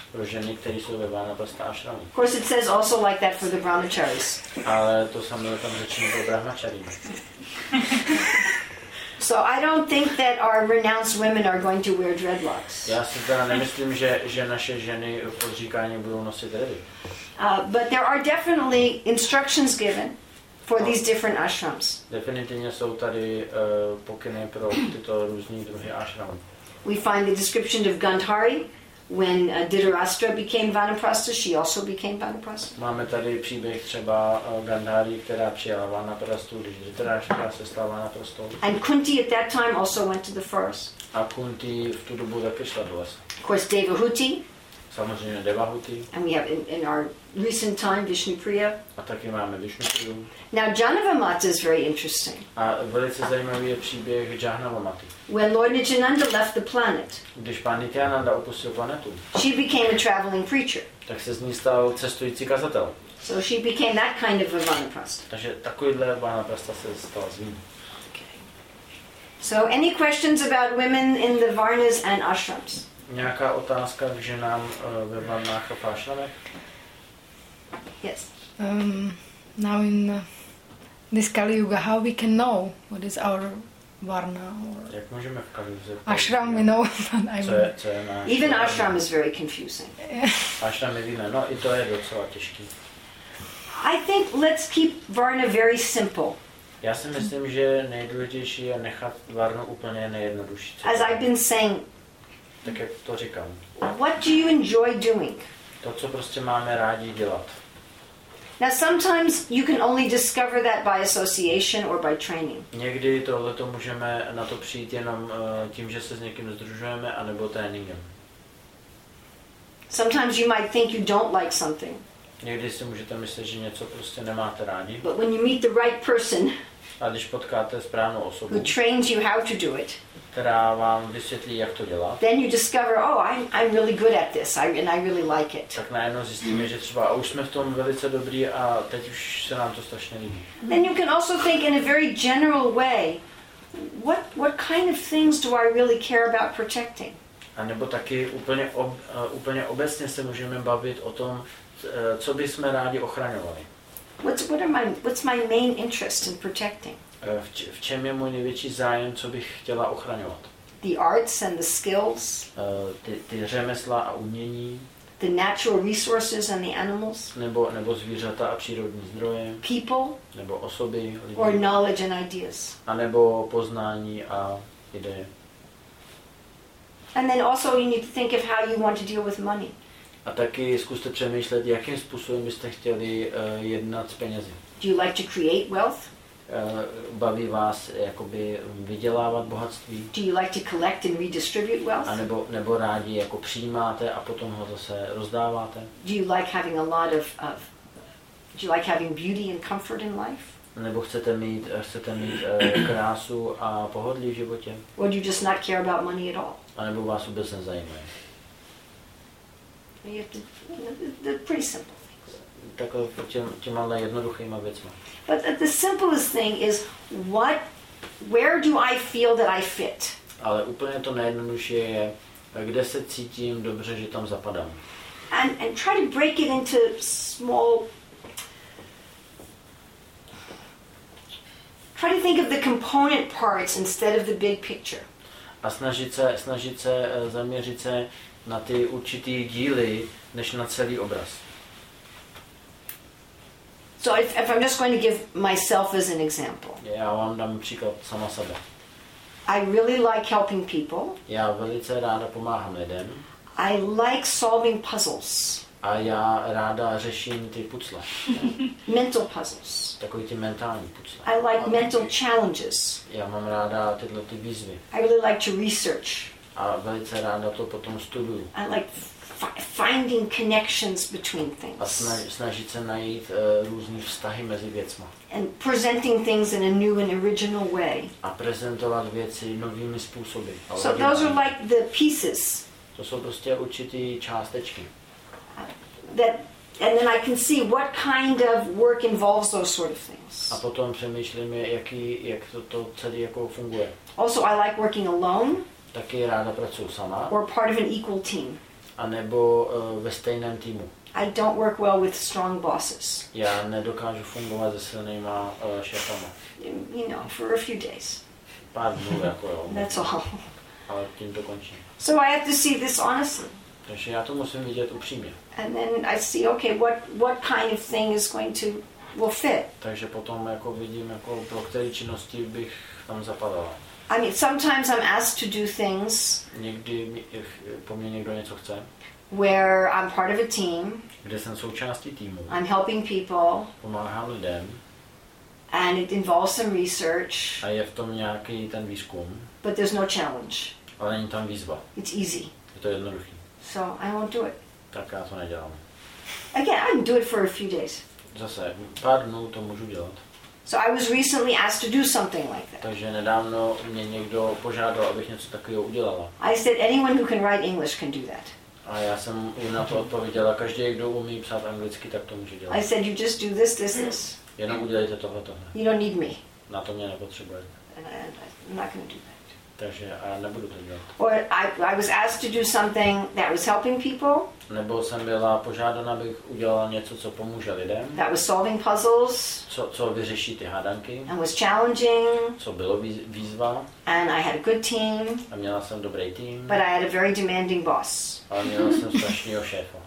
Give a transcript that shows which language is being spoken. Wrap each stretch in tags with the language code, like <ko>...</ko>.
<cs>Pro ženy, které jsou ve vanaprastha ashram.</cs> <en>Of course it says also like that for the brahmacharis.</en> <cs>Ale to samé tam řečeno pro brahmachary.</cs> <en>So I don't think that our renounced women are going to wear dreadlocks.</en> <cs>Já si teda nemyslím, že naše ženy v odříkání budou nosit dredy.</cs> <en>But there are definitely instructions given for these different ashrams.</en> <cs>Definitivně jsou tady pokyny pro tyto různé druhy ashramů.</cs> <en>We find the description of Gandhari when Dhritarashtra became vanaprastha, she also became vanaprastha.</en> <cs>Máme tady příběh třeba Gandhari, která přijala vanaprastu, když Dhritarashtra se stala vanaprastou.</cs> <en>And Kunti at that time also went to the forest.</en> <cs>A Kunti v tu dobu taky šla do lesa.</cs> <en>Of course Devahuti.</en> <cs>Samozřejmě Devahuti.</cs> <en>And we have in our recent time Vishnu Priya.</en> <cs>A taky máme Vishnu Priyu.</cs> <en>Now Jahnavamata is very interesting.</en> <cs>A velice zajímavý je příběh Jahnavamaty.</cs> <en>When Lord Nityananda left the planet,</en> <cs>když pan Nityananda opustil planetu,</cs> <en>she became a traveling preacher.</en> <cs>Tak se z ní stal cestující kazatel.</cs> <en>So she became that kind of a vanaprastha.</en> <cs>Takže takovýhle vanaprastha se stal z ní.</cs> <en>So any questions about women in the varnas and ashrams?</en> <cs>Nějaká otázka k ženám ve varnách a ashramech?</cs> <en>Yes. Now in this Kali Yuga, how we can know what is our varna or</en> <cs>jak můžeme v Kali Yuga</cs> <en>ashram, we know what I mean.</en> <cs>Co je náš</cs> <en>even varna. Ashram is very confusing.</en> <cs>Ashram je víme, no i to je docela těžký.</cs> <en>I think let's keep varna very simple.</en> <cs>Já si myslím, že nejdůležitější je nechat varnu úplně nejjednodušší.</cs> <en>As I've been saying,</en> <cs>tak jak to říkám.</cs> <en>What do you enjoy doing?</en> <cs>To, co prostě máme rádi dělat.</cs> <en>Now sometimes you can only discover that by association or by training.</en> <cs>Někdy tohleto můžeme na to přijít jenom tím, že se s někým združujeme, anebo tréninkem.</cs> <en>Sometimes you might think you don't like something.</en> <cs>Někdy si můžete myslet, že něco prostě nemáte rádi.</cs> <en>But when you meet the right person,</en> <cs>A když potkáte správnou osobu,</cs> <en>who trains you how to do it,</en> <cs>která vám vysvětlí, jak to dělat,</cs> <en>then you discover, oh, I'm really good at this, and I really like it.</en> <cs>Tak najednou zjistíme, že třeba už jsme v tom velice dobrý a teď už se nám to strašně líbí.</cs> <en>Then you can also think in a very general way, what kind of things do I really care about protecting?</en> <cs>A nebo taky úplně obecně se můžeme bavit o tom, co bychom rádi ochraňovali.</cs> <en>What's my main interest in protecting?</en> <cs>V čem je můj největší zájem, co bych chtěla ochraňovat?</cs> <en>The arts and the skills.</en> <cs>Ty řemesla a umění.</cs> <en>The natural resources and the animals.</en> <cs>Nebo zvířata a přírodní zdroje.</cs> <en>People.</en> <cs>Nebo osoby, lidi.</cs> <en>Or knowledge and ideas.</en> <cs>A nebo poznání a ideje.</cs> <en>And then also you need to think of how you want to deal with money.</en> <cs>A taky zkuste přemýšlet, jakým způsobem byste chtěli jednat s penězi.</cs> <en>Do you like to create wealth?</en> <cs>Baví vás jakoby vydělávat bohatství?</cs> <en>Do you like to collect and redistribute wealth?</en> <cs>A nebo rádi jako přijímáte a potom ho zase rozdáváte?</cs> <en>Do you like having a lot of do you like having beauty and comfort in life?</en> <cs>Nebo chcete mít krásu a pohodlí v životě?</cs> <en>Or do you just not care about money at all?</en> <cs>A nebo vás vůbec nezajímá?</cs> <en>You have to, pretty simple.</en> <cs>Takové těmhle jednoduchýma věcma.</cs> <en>But the simplest thing is where do I feel that I fit?</en> <cs>Ale úplně to nejjednodušší je, kde se cítím dobře, že tam zapadám.</cs> <en>And try to break it into small. Try to think of the component parts instead of the big picture.</en> <cs>A snažit se zaměřit se na ty určitý díly, než na celý obraz.</cs> <en>So if I'm just going to give myself as an example.</en> <cs>Já vám dám příklad sama sebe.</cs> <en>I really like helping people.</en> <cs>Já velice ráda pomáhám lidem.</cs> <en>I like solving puzzles.</en> <cs>A já ráda řeším ty puzzle.</cs> <en>Mental puzzles.</en> <cs>Takový ty mentální puzzle.</cs> <en>I like mental challenges.</en> <cs>Já mám ráda tyhle ty výzvy.</cs> <en>I really like to research.</en> <cs>A velice ráda to potom studuju.</cs> <en>I like finding connections between things.</en> <cs>A snažit se najít různé vztahy mezi věcmi.</cs> <en>And presenting things in a new and original way.</en> <cs>A prezentovat věci novými způsoby.</cs> <en>So those are like the pieces.</en> <cs>To jsou prostě určitý částečky.</cs> <en>And then I can see what kind of work involves those sort of things.</en> <cs>A potom přemýšlím, jak to celé jako funguje.</cs> <en>Also, I like working alone.</en> <cs>Taky ráda pracuji sama.</cs> <en>Or part of an equal team.</en> <cs>A nebo ve stejném týmu.</cs> <en>I don't work well with strong bosses.</en> <cs>Já nedokážu fungovat se silnýma šéfama.</cs> <en>You know, for a few days.</en> <cs>Pár dnů jako jo.</cs> <en>That's all.</en> <cs>Ale tím to končí.</cs> <en>So I have to see this honestly.</en> <cs>Takže já to musím vidět upřímně.</cs> <en>And then I see, okay, what kind of thing is going to will fit.</en> <cs>Takže potom jako vidím, jako pro které činnosti bych tam zapadala.</cs> <en>I mean, sometimes I'm asked to do things.</en> <cs>Někdy po mě někdo něco chce.</cs> <en>Where I'm part of a team.</en> <cs>Kde jsem součástí týmu.</cs> <en>I'm helping people.</en> <cs>Pomáhám lidem.</cs> <en>And it involves some research.</en> <cs>A je v tom nějaký ten výzkum.</cs> <en>But there's no challenge.</en> <cs>Ale není tam výzva.</cs> <en>It's easy.</en> <cs>Je to jednoduchý.</cs> <en>So I won't do it.</en> <cs>Tak já to nedělám.</cs> <en>Again, I can do it for a few days.</en> <cs>Zase pár dnů to můžu dělat.</cs> <en>So I was recently asked to do something like that.</en> <cs>Takže nedávno mě někdo požádal, abych něco takového udělala.</cs> <en>I said anyone who can write English can do that.</en> <cs>A já jsem jim na to odpověděla, každý, kdo umí psát anglicky, tak to může dělat.</cs> <en>I said you just do this.</en> <cs>Jenom udělejte tohle.</cs> <en>You don't need me.</en> <cs>Na to mě nepotřebujete.</cs> <en>And I'm not going to do that.</en> <cs>Takže a já nebudu to dělat.</cs> <en>Or I was asked to do something that was helping people.</en> <cs>Nebo jsem byla požádána, abych udělala něco, co pomůže lidem.</cs> <en>That was solving puzzles.</en> <cs>Co vyřeší ty hádanky.</cs> <en>And was challenging.</en> <cs>Co bylo výzva.</cs> <en>And I had a good team.</en> <cs>A měla jsem dobrý tým.</cs> <en>But I had a very demanding boss.</en> <cs>A měla jsem strašného šéfa.</cs>